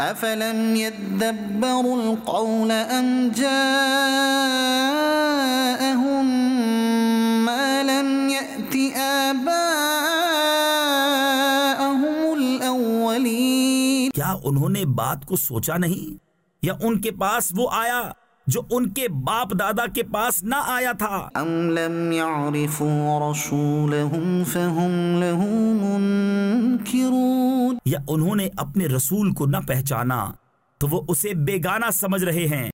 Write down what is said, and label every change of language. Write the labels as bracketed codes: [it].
[ar] افلم یدبروا القول ام جاءہم ما لم یأتی آباءہم الاولین، [ur] کیا انہوں نے بات کو سوچا نہیں یا ان کے پاس وہ آیا جو ان کے باپ دادا کے پاس نہ آیا تھا؟ [ar] ام لم يعرفوا رسولهم فهم له منكرون، [ur] یا انہوں نے اپنے رسول کو نہ پہچانا تو وہ اسے بیگانہ سمجھ رہے ہیں۔